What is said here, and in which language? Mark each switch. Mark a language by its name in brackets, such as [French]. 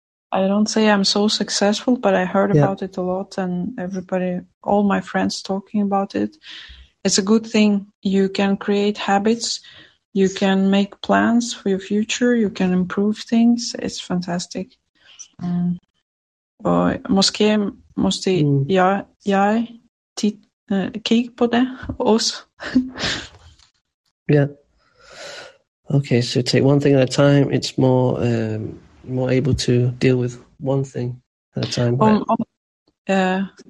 [English] I don't say I'm so successful, but I heard about it a lot, and all my friends talking about it. It's a good thing. You can create habits, you can make plans for your future, you can improve things. It's fantastic. [Swedish] Måske måste jag kika på det också. [English] Yeah. Okay, so take one thing at a time. It's more more able to deal with one thing at a time.